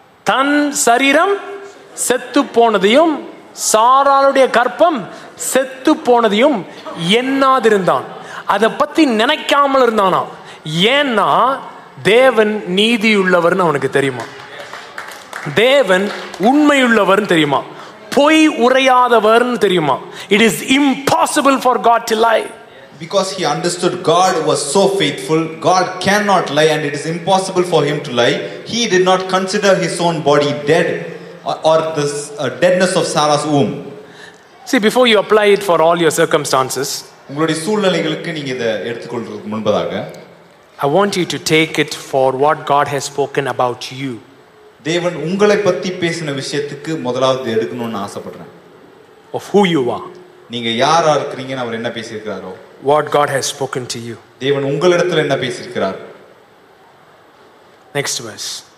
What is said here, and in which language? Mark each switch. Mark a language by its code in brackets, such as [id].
[ta] தன் சரீரம் செத்து போனதையும் சாராளுடைய கற்பம் செத்து போனதையும் எண்ணாதிருந்தான், அதை பத்தி நினைக்காமல் இருந்தானா? ஏன்னா தேவன் நீதி உள்ளவர்னு அவனுக்கு தெரியுமா, தேவன் உண்மை உள்ளவர் தெரியுமா, பொய் உரையாதவர் தெரியுமா. [en] It is impossible for God to lie. Because he understood God was so faithful, God cannot lie and it is impossible for him to lie. He did not consider his own body dead or this deadness of Sarah's womb. See, before you apply it for all your circumstances, [ta] உங்களுடைய சூழ்நிலைகளுக்கு நீங்க இதை எடுத்துக்கொள்றதுக்கு முன்பதாக, [en] I want you to take it for what God has spoken about you. [ta] தேவன் உங்களை பத்தி பேசின விஷயத்துக்கு முதலாவது எடுக்கணும்னு ஆசைப்படுறேன். [en] Of who you are. [ta] நீங்க யாரா இருக்கீங்கன்னு அவர் என்ன பேசியிருக்காரோ. [en] What God has spoken to you. [ta] தேவன் உங்களிடத்துல என்ன பேசியிருக்கார். [en] Next verse.